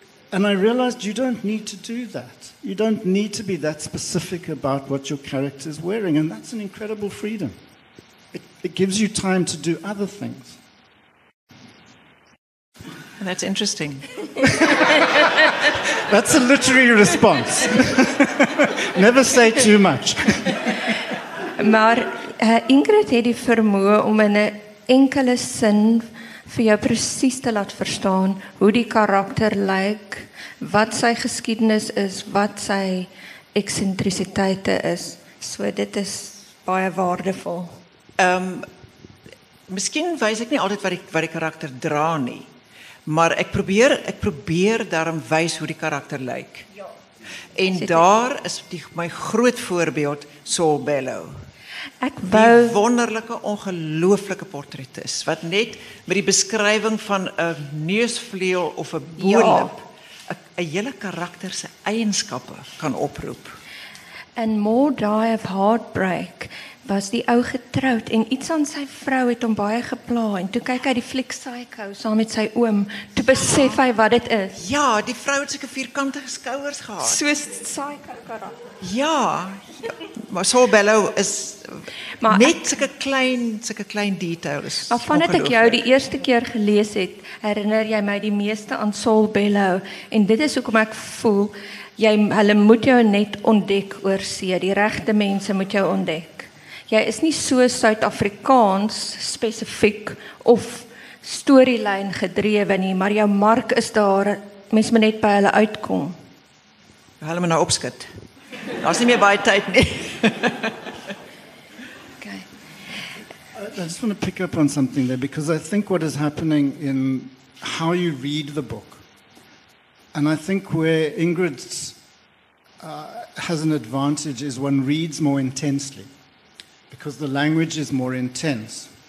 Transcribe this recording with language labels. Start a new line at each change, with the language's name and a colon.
English: And I realized you don't need to do that. You don't need to be that specific about what your character is wearing, and that's an incredible freedom. It gives you time to do other things. And that's interesting. That's a literary response. Never say too much.
Afrikaans: Maar Ingrid het die vermoë om in 'n enkele sin vir jou presies te laat verstaan hoe die karakter lyk, wat sy geskiedenis is, wat sy eksentrisiteite is. So dit is baie waardevol. Miskien wys ek nie altyd wat die karakter dra nie, maar ek probeer daarom wys hoe die karakter lyk. Ja. En daar is my groot voorbeeld Saul Bellow. Ek wou die wonderlike, ongelooflike portret is, wat net met die beskrywing van 'n neusvleel of 'n boelip 'n hele karakter se eienskappe kan oproep. And More Die of Heartbreak was die ou getroud en iets aan sy vrou het hom baie gepla, en toe kyk hy die fliek Psycho saam met sy oom, toe besef hy wat dit is. Ja, die vrou het seker vierkantige skouers gehad. Soos Psycho karakter. Ja, maar Saul Bellow is maar net seker klein details. Maar vandat ek jou die eerste keer gelees het, herinner jy my die meeste aan Saul Bellow, en dit is hoekom ek voel, hulle moet jou net ontdek oor see, die regte mense moet jou ontdek. Jy is nie so Suid-Afrikaans spesifiek of storielyn gedrewe nie, maar jou mark is daar, mens moet net by hulle uitkom. Hulle moet nou opskit. Daar is nie meer baie tyd nie.
English: Okay. I just want to pick up on something there, because I think what is happening in how you read the book, and I think where Ingrid has an advantage is one reads more intensely, because the language is more intense.